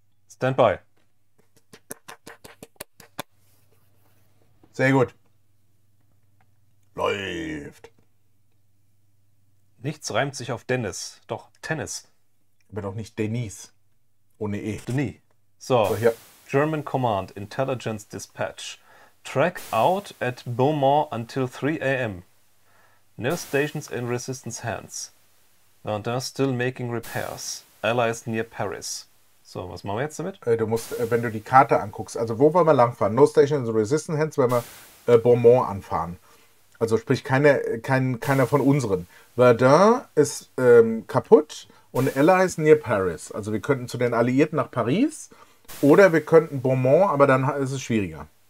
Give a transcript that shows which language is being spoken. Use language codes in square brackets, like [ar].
[en] Standby. [de] Sehr gut. Läuft. Nichts reimt sich auf Dennis, doch Tennis. Aber doch nicht Denise. Ohne E. Denis. So, so hier. [en] German Command, Intelligence Dispatch. Track out at Beaumont until 3 a.m. No stations in resistance hands. And they're still making repairs. Allies near Paris. [de] So, was machen wir jetzt damit? Du musst, wenn du die Karte anguckst, also wo wollen wir langfahren? [en] No Stations in Resistance Hands, [de] wenn wir Beaumont anfahren. Also sprich keiner von unseren. Verdun ist kaputt und [en] Allies near Paris. [de] Also wir könnten zu den Alliierten nach Paris oder wir könnten Beaumont, aber dann ist es schwieriger.